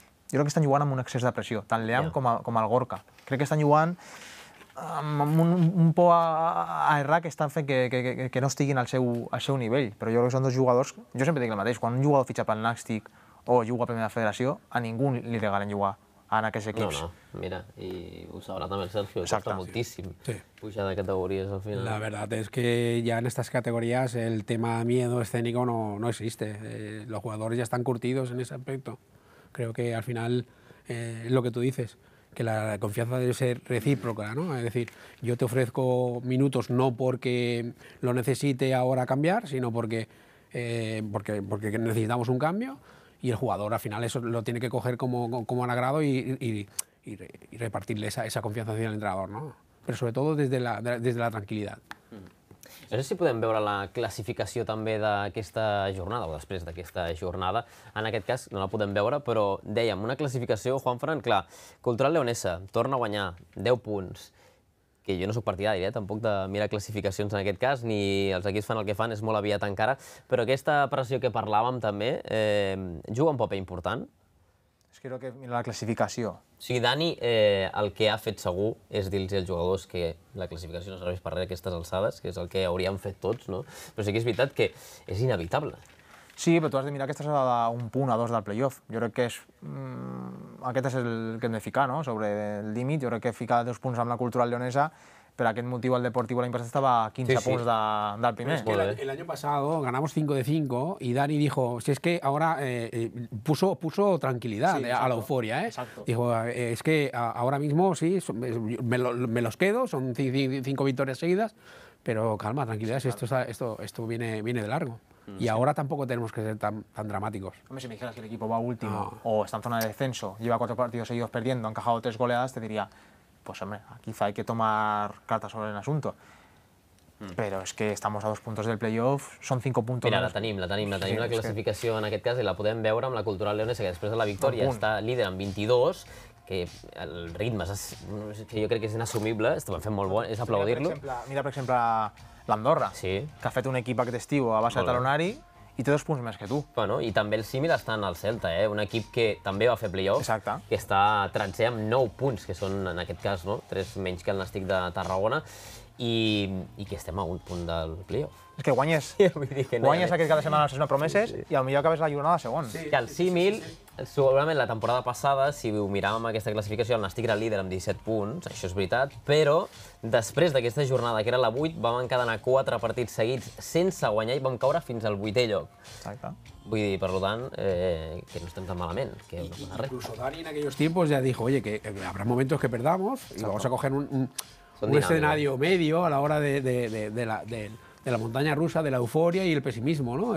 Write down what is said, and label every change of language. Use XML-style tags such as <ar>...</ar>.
<ca>Jo crec que estan jugant amb un excés de pressió, tant l'Eam com el Gorka. Crec que estan jugant amb un por a errar que estan fent que no estiguin al seu nivell. Però jo crec que són dos jugadors... Jo sempre dic el mateix, quan un jugador fitxa pel Nàstic o juga a Primera Federació, a ningú li regalen jugar en aquests equips. No, no. Mira, i ho sabrà també el Sergio, que costa moltíssim pujar de categories al final.</ca> <es>La verdad es que ya en estas categorías el tema miedo escénico no existe. Los jugadores ya están curtidos en ese aspecto. Creo que al final es lo que tú dices, que la confianza debe ser recíproca, ¿no? Es decir, yo te ofrezco minutos no porque lo necesite ahora cambiar, sino porque necesitamos un cambio y el jugador al final eso lo tiene que coger como al agrado y repartirle esa confianza hacia el entrenador, ¿no? Pero sobre todo desde la tranquilidad.</es> <ca>No sé si podem veure la classificació també d'aquesta jornada, o després d'aquesta jornada. En aquest cas no la podem veure, però dèiem, una classificació, Juanfran, clar, Cultural Leonesa torna a guanyar 10 punts, que jo no soc partidari, tampoc de mirar classificacions en aquest cas, ni els equips fan el que fan, és molt aviat encara, però aquesta pressió que parlàvem també juga un paper important. És que crec que mira la classificació. O sigui, Dani, el que ha fet segur és dir-los als jugadors que la classificació no serveix per res a aquestes alçades, que és el que hauríem fet tots, no? Però sí que és veritat que és inevitable. Sí, però tu has de mirar aquesta alçada d'un punt a dos del play-off. Jo crec que és... aquest és el que hem de ficar, no? Sobre el límit. Jo crec que ficar dos punts amb la Cultural Leonesa, per aquest motiu el Deportivo l'any passat estava a 15 punts del primer.</ca> <es>El año pasado ganamos 5-5 y Dani dijo, si es que ahora puso tranquilidad a la euforia, dijo, es que ahora mismo sí, me los quedo, son 5 victorias seguidas, pero calma, tranquilidad, esto viene de largo. Y ahora tampoco tenemos que ser tan dramáticos. Hombre, si me dijeras que el equipo va último o está en zona de descenso, lleva 4 partidos seguidos perdiendo, ha encajado 3 goleadas, te diría... Pues hombre, quizá hay que tomar cartas sobre el asunto. Pero es que estamos a 2 puntos del playoff, son 5 puntos...</es> <ca>Mira, la tenim, sí, la classificació que... en aquest cas, i la podem veure amb la Cultural Leonesa, que després de la victòria està líder amb 22, que el ritme que jo crec que és inassumible, estem fent molt bon, és aplaudir-lo. Mira, per exemple, l'Andorra, que ha fet un equip aquest estiu a base de talonari, i té 2 punts més que tu. Bueno, i també el Simil està en el Celta, un equip que també va fer play-off. Exacte. Que està 13 amb 9 punts, que són, en aquest cas, 3 menys que el Nàstic de Tarragona, i que estem a un punt del play-off. És que guanyes. Guanyes aquest cada setmana les promeses i potser acabes la jornada segon. Que el Simil, segurament la temporada passada, si ho miràvem aquesta classificació, el Nàstic era líder amb 17 punts, això és veritat, però després d'aquesta jornada, que era la 8, vam encadenar 4 partits seguits sense guanyar i vam caure fins al 8è lloc. Exacte. Vull dir, per tant, que no estem tan malament.</ca> <es>Incluso Dani en aquellos tiempos ya dijo, oye, que habrá momentos que perdamos y vamos a coger un escenario medio a la hora de la montaña rusa, de la euforia y el pesimismo, ¿no?</es>